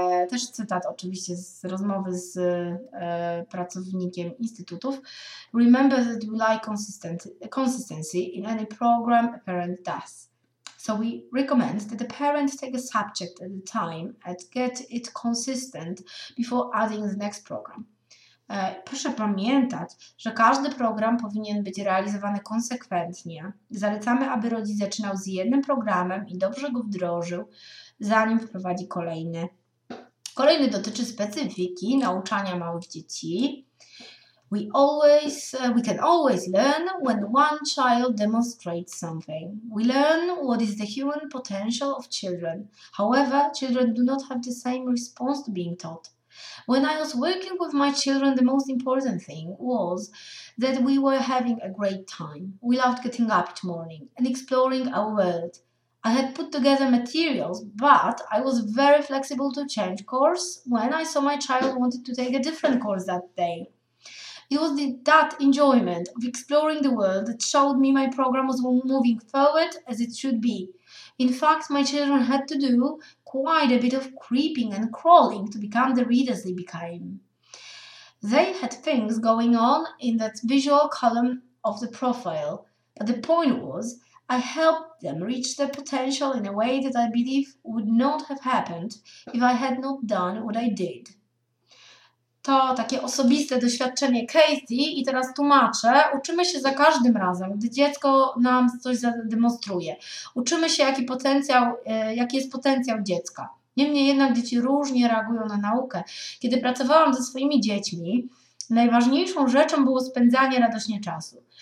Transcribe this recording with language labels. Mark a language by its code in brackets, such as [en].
[pl] Też cytat oczywiście z rozmowy z pracownikiem instytutów. [en] Remember that we like consistency in any program a parent does. So we recommend that the parent take a subject at a time and get it consistent before adding the next program. [pl] Proszę pamiętać, że każdy program powinien być realizowany konsekwentnie. Zalecamy, aby rodzic zaczynał z jednym programem i dobrze go wdrożył, zanim wprowadzi kolejny. Kolejny dotyczy specyfiki nauczania małych dzieci. [en] We can always learn when one child demonstrates something. We learn what is the human potential of children. However, children do not have the same response to being taught. When I was working with my children, the most important thing was that we were having a great time. We loved getting up each morning and exploring our world. I had put together materials, but I was very flexible to change course when I saw my child wanted to take a different course that day. It was that enjoyment of exploring the world that showed me my program was moving forward as it should be. In fact, my children had to do quite a bit of creeping and crawling to become the readers they became. They had things going on in that visual column of the profile, but the point was, I helped them reach their potential in a way that I believe would not have happened if I had not done what I did. [pl] To takie osobiste doświadczenie Casey i teraz tłumaczę. Uczymy się za każdym razem, gdy dziecko nam coś zademonstruje. Uczymy się, jaki jest potencjał dziecka. Niemniej jednak dzieci różnie reagują na naukę. Kiedy pracowałam ze swoimi dziećmi, najważniejszą rzeczą było spędzanie radośnie czasu.